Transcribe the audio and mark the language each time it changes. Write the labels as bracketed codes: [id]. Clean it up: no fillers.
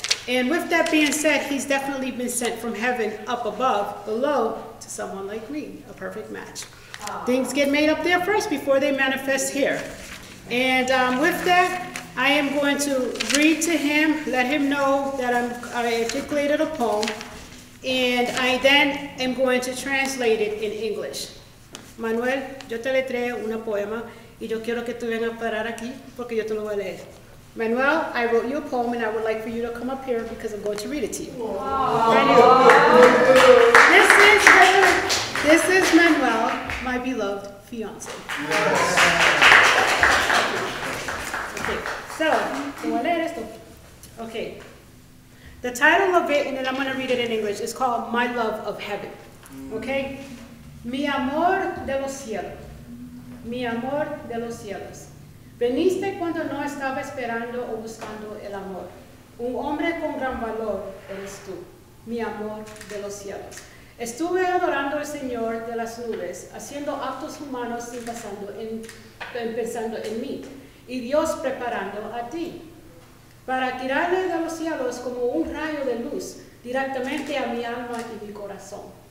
[en] And with that being said, he's definitely been sent from heaven up above, below, to someone like me, a perfect match. Things get made up there first before they manifest here. And with that, I am going to read to him, let him know that I articulated a poem, and I then am going to translate it in English. [es] Manuel, yo te letré una poema, y yo quiero que tú vengas a parar aquí, porque yo te lo voy a leer. [en] Manuel, I wrote you a poem, and I would like for you to come up here because I'm going to read it to you. This is Manuel, my beloved fiancé. Yes. Okay. So, okay. The title of it, and then I'm going to read it in English, is called My Love of Heaven. Okay? [es] Mi amor de los cielos. Mi amor de los cielos. Veniste cuando no estaba esperando o buscando el amor. Un hombre con gran valor eres tú, mi amor de los cielos. Estuve adorando al Señor de las nubes, haciendo actos humanos y pensando en mí, y Dios preparando a ti, para tirarle de los cielos como un rayo de luz directamente a mi alma y mi corazón.